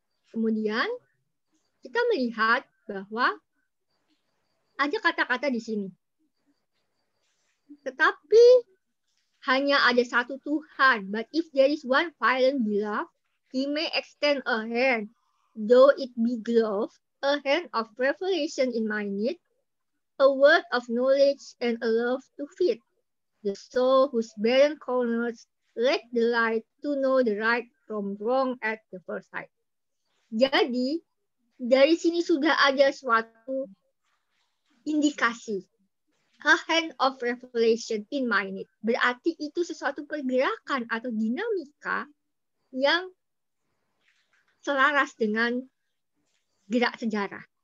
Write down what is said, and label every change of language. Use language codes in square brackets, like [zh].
[id] Kemudian, kita melihat bahwa ada kata-kata di sini. Tetapi, hanya ada satu Tuhan. [en] But if there is one violent beloved, he may extend a hand, though it be gloved, a hand of revelation in my need, a word of knowledge and a love to feed the soul whose barren corners lack the light to know the right from wrong at the first sight. [id] Jadi, dari sini sudah ada suatu indikasi. [en] A hand of revelation in my need. [id] Berarti itu sesuatu pergerakan atau dinamika yang selaras dengan gerak sejarah.